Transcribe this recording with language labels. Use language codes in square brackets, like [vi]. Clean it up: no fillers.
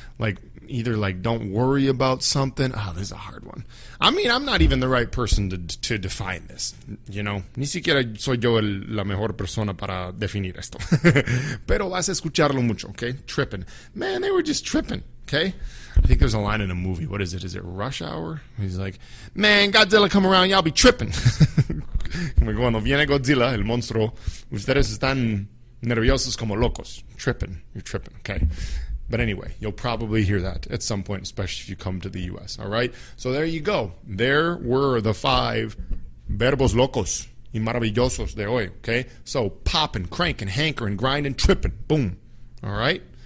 [en] Like, either like, don't worry about something. Oh, this is a hard one. I mean, I'm not even the right person to define this, you know? [es] Ni siquiera soy yo la mejor persona para definir esto. Pero vas a escucharlo mucho, okay? Tripping. [en] Man, they were just tripping, [es] okay? [en] I think there's a line in a movie. What is it? Is it Rush Hour? He's like, man, Godzilla come around, y'all be tripping. [es] Como cuando viene Godzilla, el monstruo, ustedes están nerviosos como locos. [en] Tripping. You're tripping, okay? But anyway, you'll probably hear that at some point, especially if you come to the U.S., all right? So there you go. There were the five [es] verbos locos y maravillosos de hoy, [en] okay? So popping, cranking, hankering, grinding, tripping. Boom. All right?